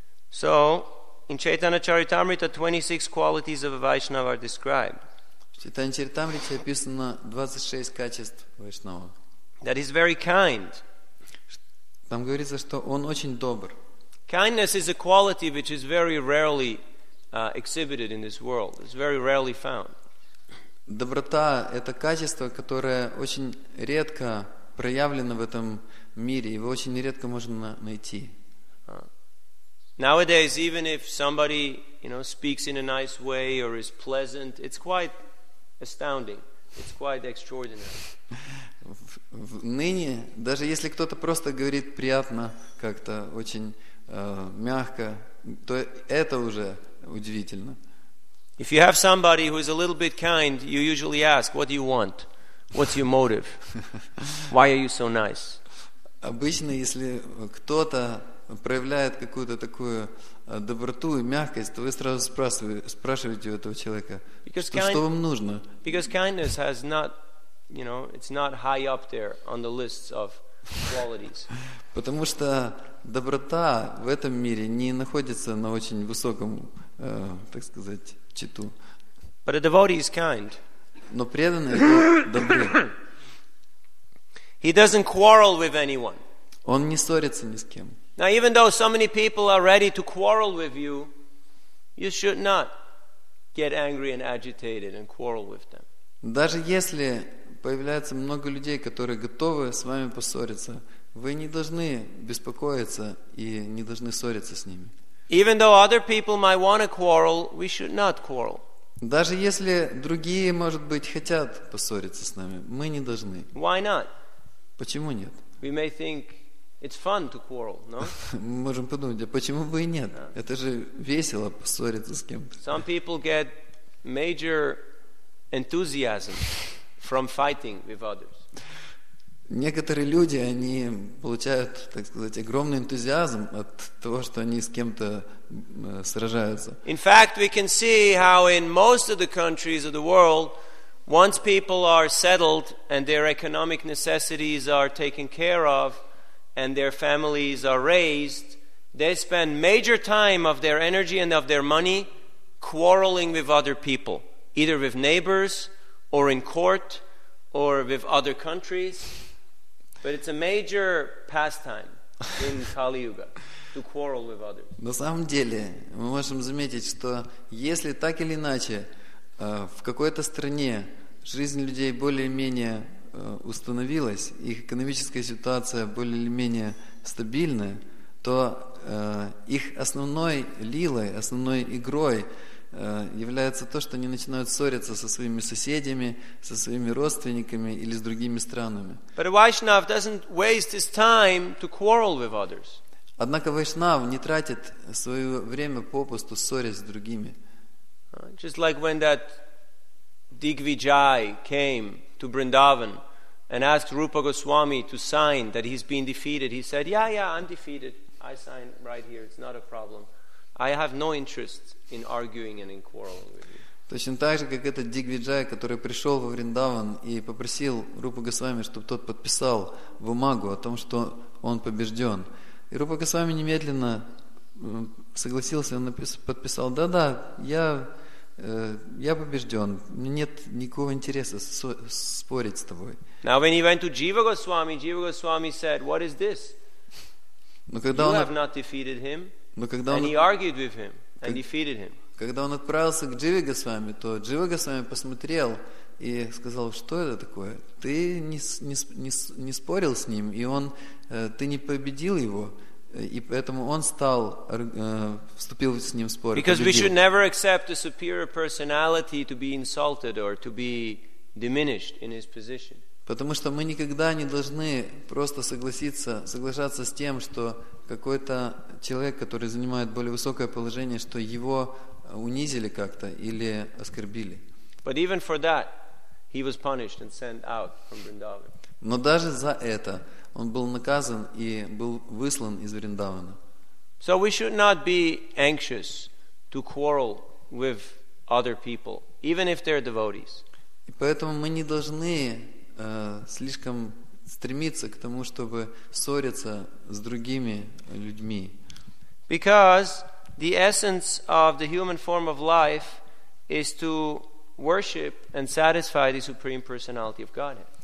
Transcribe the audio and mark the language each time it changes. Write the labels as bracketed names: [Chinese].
[English] So, in Chaitanya Charitamrita, 26 qualities of a Vaishnava are described. [Russian] В Чайтанья Чаритамрите описано 26 качеств Вайшнава. [English] That is very kind. [Russian] Там говорится, что он очень добр. [English] Kindness is a quality which is very rarely exhibited in this world. It's very rarely found. [Russian] Доброта — это качество, которое очень редко проявлено в этом мире. Его очень редко можно найти. [English] Nowadays, even if somebody, you know, speaks in a nice way or is pleasant, it's quite astounding. It's quite extraordinary. [Russian] Ныне, даже если кто-то просто говорит приятно, как-то очень мягко, то это уже удивительно. [English] If you have somebody who is a little bit kind, you usually ask, what do you want? What's your motive? Why are you so nice? [Russian] Обычно, если кто-то проявляет какую-то такую доброту и мягкость, то вы сразу спрашиваете у этого человека, что вам нужно. [English] Because kindness has not, you know, it's not high up there on the lists of qualities. [Russian] Потому что доброта в этом мире не находится на очень высоком, так сказать, читу. [English] But a devotee is kind. [Russian] Но преданные добры. [English] He doesn't quarrel with anyone. [Russian] Он не ссорится ни с кем. [English] Now, even though so many people are ready to quarrel with you, you should not get angry and agitated and quarrel with them. [Russian] Даже если появляется много людей, которые готовы с вами поссориться, вы не должны беспокоиться и не должны ссориться с ними. [English] Even though other people might want to quarrel, we should not quarrel. [Russian] Даже если другие, может быть, хотят поссориться с нами, мы не должны. [English] Why not? [Russian] Почему нет? [English] We may think it's fun to quarrel, no? [Russian] Мы можем подумать, а почему бы и нет? [English] No. [Russian] Это же весело поссориться с кем-то. [English] Some people get major enthusiasm from fighting with others. [Russian] Некоторые люди, они получают, так сказать, огромный энтузиазм от того, что они с кем-то сражаются. [English] In fact, we can see how in most of the countries of the world, once people are settled and their economic necessities are taken care of and their families are raised, they spend major time of their energy and of their money quarreling with other people, either with neighbors or in court or with other countries. But it's a major pastime in Kali Yuga to quarrel with others. [Russian] На самом деле, мы можем заметить, что если так или иначе в какой-то стране жизнь людей более-менее установилась, их экономическая ситуация более-менее стабильная, то их основной лилой, основной игрой является то, что они начинают ссориться со своими соседями, со своими родственниками или с другими странами. [English] But Vaishnav doesn't waste his time to quarrel with others. [Russian] Однако Вайшнав не тратит свое время попусту ссорясь с другими. [English] Just like when that Digvijay came to Vrindavan and asked Rupa Goswami to sign that he's been defeated, he said, "Yeah, yeah, I'm defeated. I sign right here. It's not a problem. I have no interest in arguing and in quarreling with you." [Russian] Точно так же, как этот Дигвиджай, который пришел во Вриндаван и попросил Рупа Госвами, чтобы тот подписал бумагу о том, что он побежден. И Рупа Госвами немедленно согласился, он подписал: "Да-да, я побежден. Мне нет никакого интереса спорить с тобой." [English] Now, when he went to Jiva Goswami, Jiva Goswami said, "What is this? You have not defeated him." And he argued with him and defeated him. [Russian] Когда он отправился к Дживе Госвами, то Дживе Госвами посмотрел и сказал: "Что это такое? Ты не спорил с ним, и он ты не победил его, и поэтому он стал вступил с ним в спор." [English] Because we should never accept a superior personality to be insulted or to be diminished in his position. [Russian] Потому что мы никогда не должны просто соглашаться с тем, что какой-то человек, который занимает более высокое положение, что его унизили как-то или оскорбили. [English] But even for that, he was punished and sent out from Vrindavan. [Russian] Но даже за это он был наказан и был выслан из Вриндавана. [English] So we should not be anxious to quarrel with other people, even if they're devotees. [Russian] И поэтому мы не должны слишком стремиться к тому, чтобы ссориться с другими людьми. [English] Because the essence of the human form of life is to worship and satisfy the Supreme Personality of Godhead.